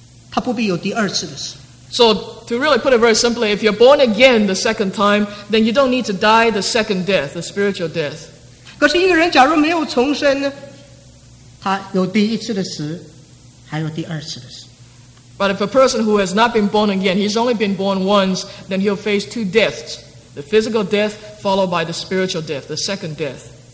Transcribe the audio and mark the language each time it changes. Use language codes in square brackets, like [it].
[zh] 一个人若是他重生了，他不必有第二次的死。 [en] So to really put it very simply, if you're born again the second time, then you don't need to die the second death, the spiritual death. [zh] 可是一个人假如没有重生呢，他有第一次的死，还有第二次的死。 [en] But if a person who has not been born again, he's only been born once, then he'll face two deaths. The physical death followed by the spiritual death, the second death.